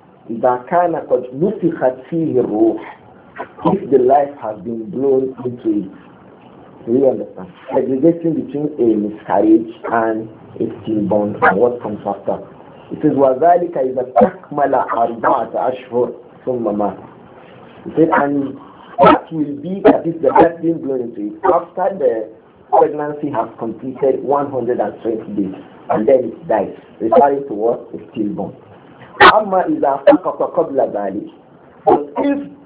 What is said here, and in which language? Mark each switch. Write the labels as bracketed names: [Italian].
[Arabic] إِذَا كَانَ قَدْ نُفِخَتْ فِيهِ الرُّوحِ, [English] if the life has been blown into it. We understand. Segregating between a miscarriage and a stillborn and what comes after. It says, [Arabic] وَذَلِكَ إِذَا تَكْمَلَ أَرْبَعَةَ أَشْهُرْ ثُمَّ مَاتَ. [English] He said, and that will be that if the death being blown into it after the pregnancy has completed 120 days and then it dies, referring to what? A stillborn. [Arabic] أَمَّا إِذَا فَقَطَ قَبْلَ ذَلِكَ. [English] But if